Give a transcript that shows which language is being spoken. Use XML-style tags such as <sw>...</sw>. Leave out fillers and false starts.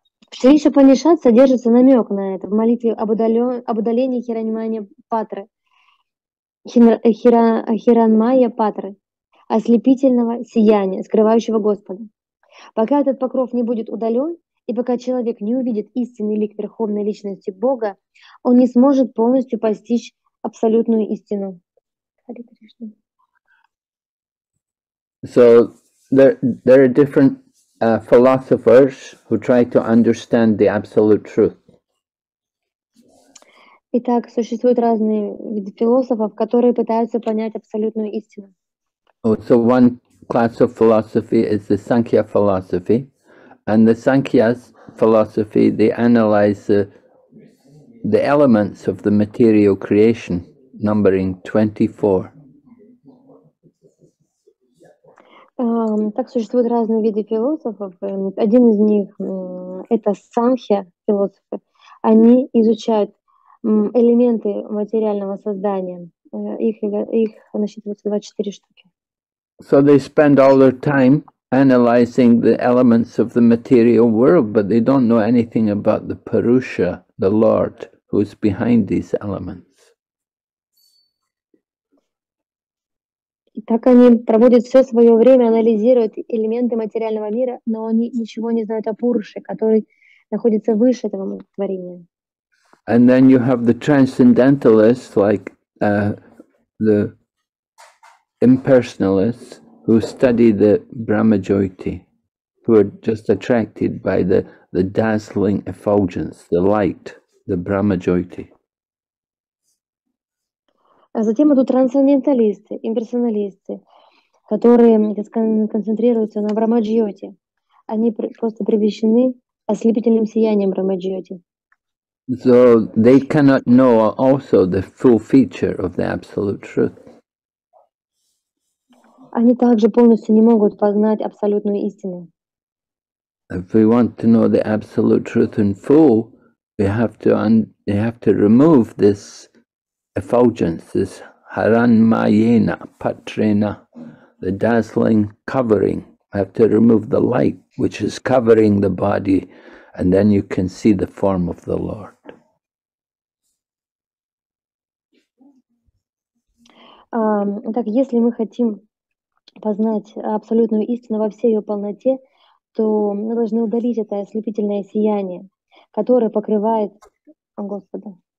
<ru>В Шри Шупанишат содержится намек на это в молитве об удалении Хираньмая Патры, Хираньмая Патры, ослепительного сияния, скрывающего Господа. Пока этот покров не будет удален, и пока человек не увидит истинный лик Верховной Личности Бога, он не сможет полностью постичь абсолютную истину.</ru> <en>So there are different philosophers who try to understand the absolute truth.</en> <ru>Итак, существуют разные виды философов, которые пытаются понять абсолютную истину.</ru> <en>So one class of philosophy is the Sankhya philosophy, and the Sankhya's philosophy, they analyze the elements of the material creation, numbering 24.</en> <ru>Так существуют разные виды философов. Один из них это Санхья философы. Они изучают элементы материального создания. Их насчитывается 24 штуки.</ru> <en>So they spend all their time analyzing the elements of the material world, but they don't know anything about the Purusha, the Lord, who's behind these elements.</en> <ru>Так они проводят все свое время, анализируют элементы материального мира, но они ничего не знают о Пурше, который находится выше этого творения.</ru> <en>And then you have the transcendentalists, like the impersonalists, who study the Brahmajyoti, who are just attracted by the dazzling effulgence, the light, the Brahmajyoti.</en> <ru>А затем идут трансценденталисты, имперсоналисты, которые концентрируются на Брахмаджьоти. Они просто привлечены ослепительным сиянием Брахмаджьоти. So they cannot know also the full feature of the absolute truth. Они также полностью не могут познать абсолютную истину.</ru> <en>If we want to know the absolute truth in full, we have to remove this effulgence, this haranmayena patrena, the dazzling covering. I have to remove the light which is covering the body, and then you can see the form of the Lord.</en> <ru>Так, если мы хотим познать абсолютную истину во всей ее полноте, то мы должны удалить это ослепительное сияние, которое покрывает Господа.</ru>